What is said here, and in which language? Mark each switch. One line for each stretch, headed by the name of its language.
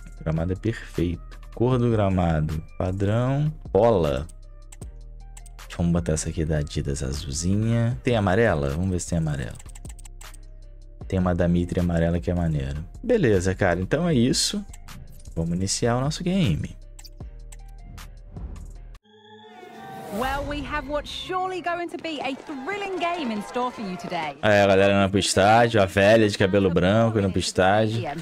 Portuguese: Gramado é perfeito. Cor do gramado padrão, bola. Vamos botar essa aqui da Adidas azulzinha. Tem amarela? Vamos ver se tem amarela. Tem uma da Mitre amarela que é maneiro. Beleza, cara. Então é isso. Vamos iniciar o nosso game.
English: Well, we have what's surely going to be a thrilling game in store for you today.
Portuguese: É, a galera indo pro estádio, a velha de cabelo branco indo pro estádio.